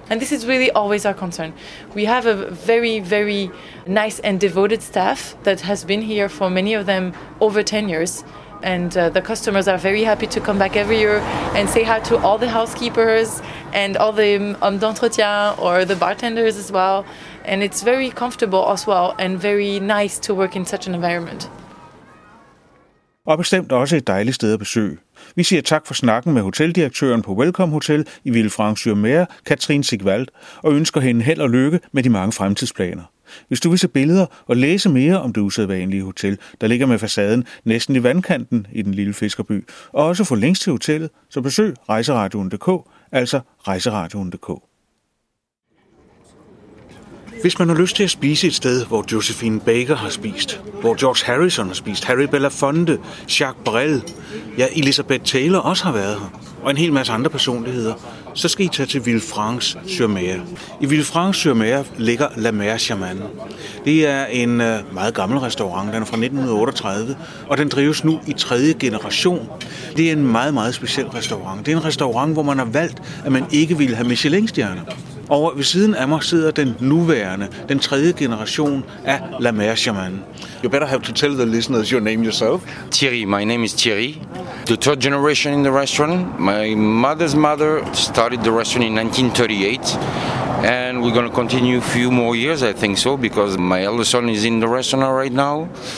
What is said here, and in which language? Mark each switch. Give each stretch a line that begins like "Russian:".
English: And this is really always our concern. We have a very, very nice and devoted staff that has been here for many of them over 10 years. And the customers are very happy to come back every year and say hi to all the housekeepers and all the hommes d'entretien or the bartenders as well. And it's very comfortable as well and very nice to work in such an environment.
Danish: Og bestemt også et dejligt sted at besøge. Vi siger tak for snakken med hoteldirektøren på Welcome Hotel i Villefranche-sur-Mer, Katrine Sigvald, og ønsker hende held og lykke med de mange fremtidsplaner. Hvis du vil se billeder og læse mere om det usædvanlige hotel, der ligger med facaden næsten i vandkanten i den lille fiskerby, og også få links til hotellet, så besøg rejseradioen.dk, altså rejseradioen.dk. Hvis man har lyst til at spise et sted, hvor Josephine Baker har spist, hvor George Harrison har spist, Harry Belafonte, Jacques Brel, ja, Elizabeth Taylor også har været her, og en hel masse andre personligheder, så skal I tage til Villefranche-sur-Mer. I Villefranche-sur-Mer ligger La Mer Chaman. Det er en meget gammel restaurant, den er fra 1938, og den drives nu i tredje generation. Det er en meget, meget speciel restaurant. Det er en restaurant, hvor man har valgt, at man ikke ville have Michelin-stjerner. Og ved siden af mig sidder den nuværende, den tredje generation af La Mer Chaman.
English: You better have to tell the listeners your name yourself. Thierry, my name is Thierry. The third generation in the restaurant. My mother's mother started the restaurant in 1938. And we're going to continue a few more years, I think so, because my eldest son is in the restaurant right now.